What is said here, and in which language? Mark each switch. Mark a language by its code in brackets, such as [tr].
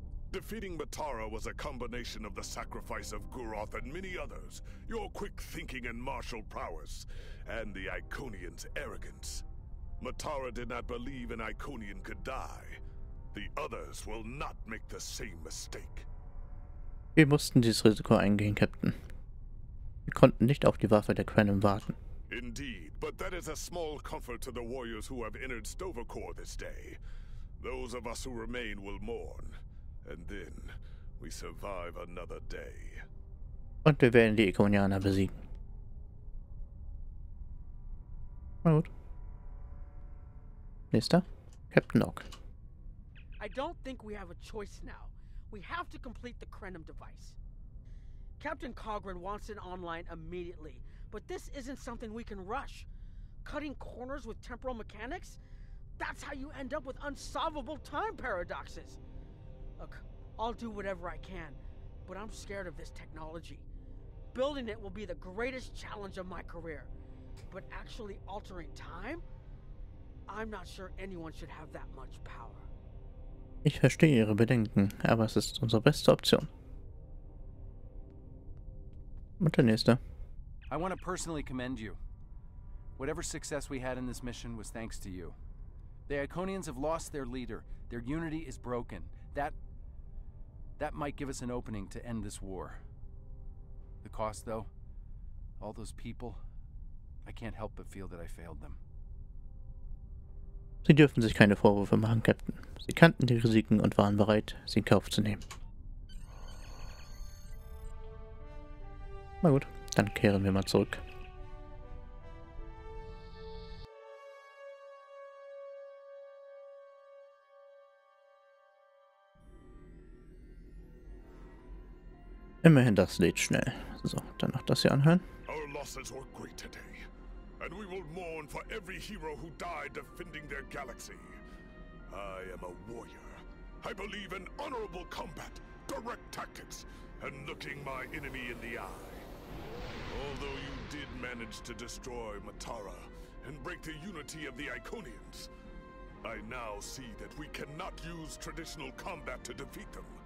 [en] Defeating Matara was a combination of the sacrifice of Guroth and many others, your quick thinking and martial prowess, and the Iconians' arrogance. Matara did not believe an Iconian could die. The others will not make the same mistake. [de] Wir mussten dieses Risiko eingehen, Captain. Wir konnten nicht auf die Waffe der Quenim warten. [en] Indeed, but that is a small comfort to the warriors who have entered Stovercore this day. Those of us who remain will mourn. And then we survive another day. [de] Und wir werden die Ikonianer besiegen. Na gut. Nächster. Captain Locke. [en] I don't think we have a choice now. We have to complete the Krennum device. Captain Cogran wants it online immediately, but this isn't something we can rush. Cutting corners with temporal mechanics? That's how you end up with unsolvable time paradoxes. Look, I'll do whatever I can, but I'm scared of this technology. Building it will be the greatest challenge of my career, but actually altering time? I'm not sure anyone should have that much power. [de] Ich verstehe Ihre Bedenken, aber es ist unsere beste Option. Und der nächste. [en] I want to personally commend you. Whatever success we had in this mission was thanks to you. The Iconians have lost their leader. Their unity is broken. That might give us an opening to end this war. The cost, though, all those people, I can't help but feel that I failed them. [de] Sie dürfen sich keine Vorwürfe machen, Captain. Sie kannten die Risiken und waren bereit, sie in Kauf zu nehmen. Na gut, dann kehren wir mal zurück. Immerhin, das lädt schnell. So, dann noch das hier anhören. [en] Our losses were great today. And we will mourn for every hero who died defending their galaxy. I am a warrior. I believe in honorable combat, direct tactics, and looking my enemy in the eye. Although you did manage to destroy Matara and break the unity of the Iconians, I now see that we cannot use traditional combat to defeat them.